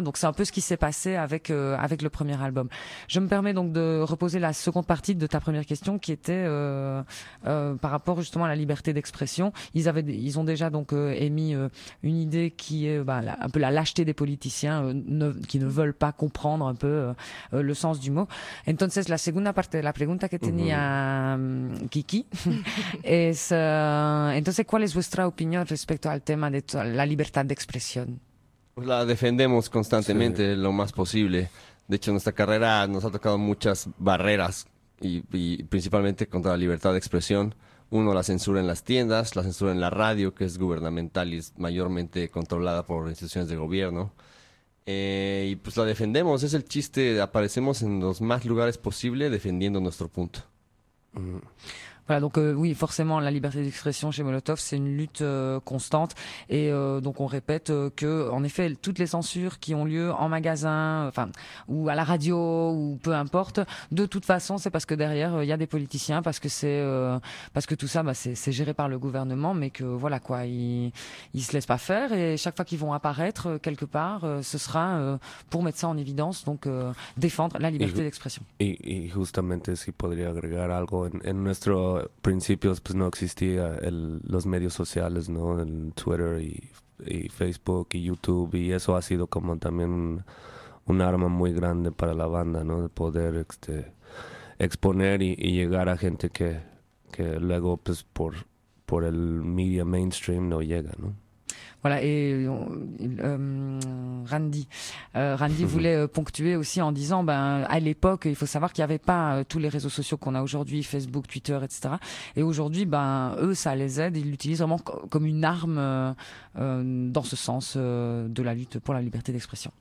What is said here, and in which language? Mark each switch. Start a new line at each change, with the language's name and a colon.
French: Donc c'est un peu ce qui s'est passé avec le premier album. Je me permets donc de reposer la seconde partie de ta première question, qui était par rapport justement à la liberté d'expression. Ils ont déjà donc émis une idée qui est un peu la lâcheté des politiciens qui ne veulent pas comprendre un peu le sens du mot.
Spanish: Entonces la segunda parte de la pregunta que tenía Kiki es entonces, ¿cuál es vuestra opinión respecto al tema de la libertad de expresión? Pues la defendemos constantemente, sí, lo más posible. De hecho, nuestra carrera nos ha tocado muchas barreras, y principalmente contra la libertad de expresión. Uno, la censura en las tiendas, la censura en la radio, que es gubernamental y es mayormente controlada por instituciones de gobierno. Y pues la defendemos, es el chiste, aparecemos en los más lugares posible defendiendo nuestro punto. Mm.
French: Voilà, donc oui, forcément, la liberté d'expression chez Molotov, c'est une lutte constante. Et donc, on répète que, en effet, toutes les censures qui ont lieu en magasin, enfin, ou à la radio, ou peu importe, de toute façon, c'est parce que derrière, il y a des politiciens, parce que c'est géré par le gouvernement, mais que voilà quoi, ils se laissent pas faire. Et chaque fois qu'ils vont apparaître quelque part, ce sera pour mettre ça en évidence, donc défendre la liberté d'expression. Et justement, si je pourrais agréger
Spanish: algo en nuestro principios, pues no existía los medios sociales, ¿no? El Twitter y Facebook y YouTube, y eso ha sido como también un arma muy grande para la banda, ¿no? De poder exponer y llegar a gente que luego pues por el media mainstream no llega, ¿no?
French: Voilà, et Randy voulait ponctuer aussi en disant, à l'époque, il faut savoir qu'il n'y avait pas tous les réseaux sociaux qu'on a aujourd'hui, Facebook, Twitter, etc. Et aujourd'hui, eux, ça les aide, ils l'utilisent vraiment comme une arme dans ce sens de la lutte pour la liberté d'expression.